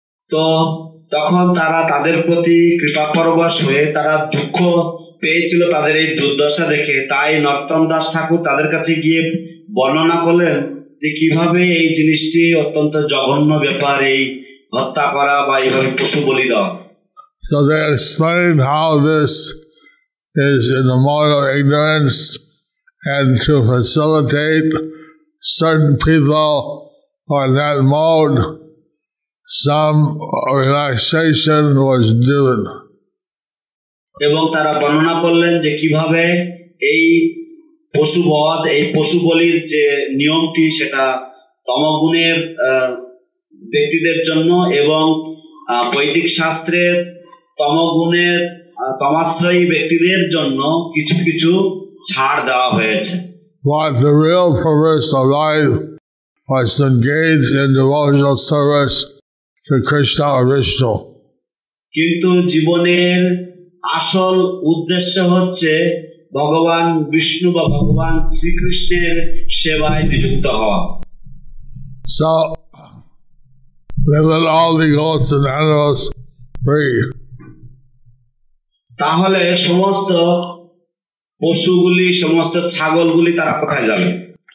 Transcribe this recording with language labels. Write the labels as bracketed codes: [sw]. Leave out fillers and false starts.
[bn] তো তখন তারা তাদের প্রতি কৃপাপরবশ হয়ে তারা দুঃখ পেয়েছিল তাদের এই দুর্দশা দেখে, তাই নরোত্তম দাস ঠাকুর তাদের কাছে গিয়ে বর্ণনা করলেন যে কিভাবে এই জিনিসটি অত্যন্ত জঘন্য ব্যাপার, এই হত্যা করা বা এইভাবে পশু বলি দেওয়া. [en] So they explained how this is in the moral ignorance and to facilitate certain people or that mode, some relaxation was given. [bn] এবং তারা বর্ণনা করলেন যে কিভাবে এই পশুবধ, এই পশু বলির যে নিয়মটি সেটা তমগুণের ব্যক্তিদের জন্য এবং বৈদিক শাস্ত্রের তমগুণের তমাশ্রয়ী ব্যক্তিদের জন্য কিছু কিছু ছাড় দেওয়া হয়েছে. [en] What the real purpose of life was to engage in devotional service to Krishna or Vishnu. [bn] কিন্তু জীবনের আসল উদ্দেশ্য হচ্ছে ভগবান বিষ্ণু বা ভগবান শ্রীকৃষ্ণের সেবায় নিযুক্ত হওয়া. [en] So, they let all the goats and animals free. [bn] তাহলে সমস্ত পশুগুলি, সমস্ত ছাগলগুলি তারা কোথায় যাবে?